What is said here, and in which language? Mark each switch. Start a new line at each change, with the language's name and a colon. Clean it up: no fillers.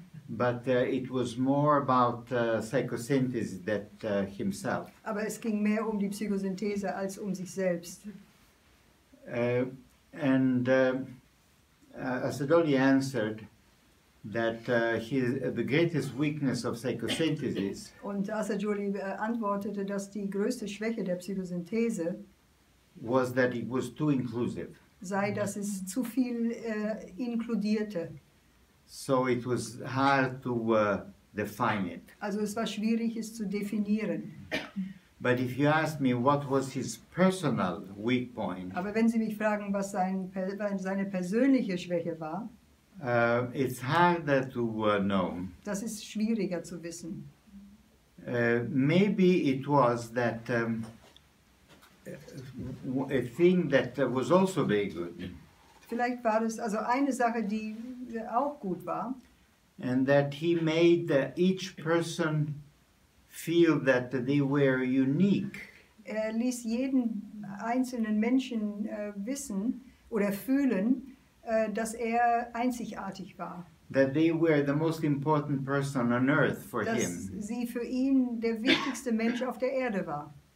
English: But it was more about psychosynthesis than himself.
German: Aber es ging mehr um die Psychosynthese als um sich selbst.
English: And Assagioli answered, that his the greatest weakness of psychosynthesis.
German: Und Assagioli antwortete, dass die größte Schwäche der Psychosynthese
English: was that it was too inclusive.
German: Sei, dass es zu viel inkludierte.
English: So it was hard to define it.
German: Also es war schwierig, es zu definieren.
English: But if you ask me what was his personal weak point.
German: Aber wenn Sie mich fragen, was seine persönliche Schwäche war.
English: It's harder to know.
German: Das ist schwieriger zu wissen.
English: Maybe it was that a thing that was also very good.
German: Vielleicht war das also eine Sache, die auch gut war.
English: And that he made each person feel that they were unique.
German: Er ließ jeden einzelnen Menschen wissen oder fühlen, dass er einzigartig war.
English: That they were the most important person on earth for
German: dass
English: him.
German: Dass sie für ihn der wichtigste Mensch auf der Erde war.